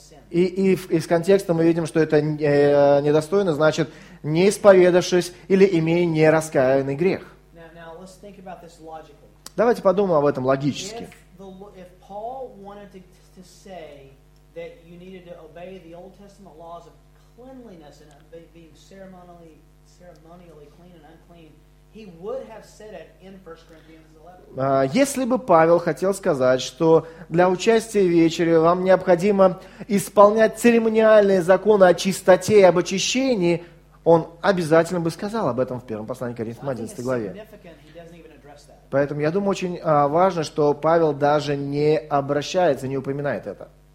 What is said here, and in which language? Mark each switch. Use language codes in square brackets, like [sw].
[ru] И из контекста мы видим, что это недостойно, значит, не исповедавшись или имея нераскаянный грех. [en] Now, let's think about this logically. [ru] Давайте подумаем об этом логически. [en] If Paul wanted to say that you needed to obey the Old Testament laws of cleanliness and being ceremonially clean and unclean, he would have said it in 1 Corinthians 11. [ru] Если бы Павел хотел сказать, что для участия в вечере вам необходимо исполнять церемониальные законы о чистоте и об очищении, он обязательно бы сказал об этом в первом послании к Коринфянам 11 главе. Поэтому я думаю, очень важно, что Павел даже не обращается, не упоминает это.